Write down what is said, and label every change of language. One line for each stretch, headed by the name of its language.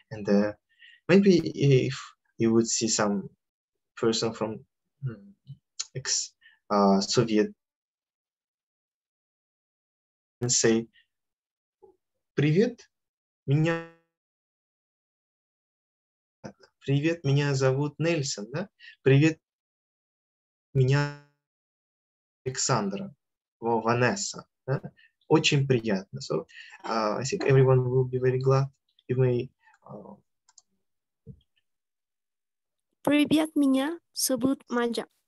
English: And maybe if you would see some person from ex-Soviet, and say,
Russian: Привет, меня... Привет, меня зовут Нельсон, да? Привет. Меня Александра, Ванесса. Очень приятно.
English: So, I think everyone will be very glad. You may...
Russian: Привет, меня зовут Маджа.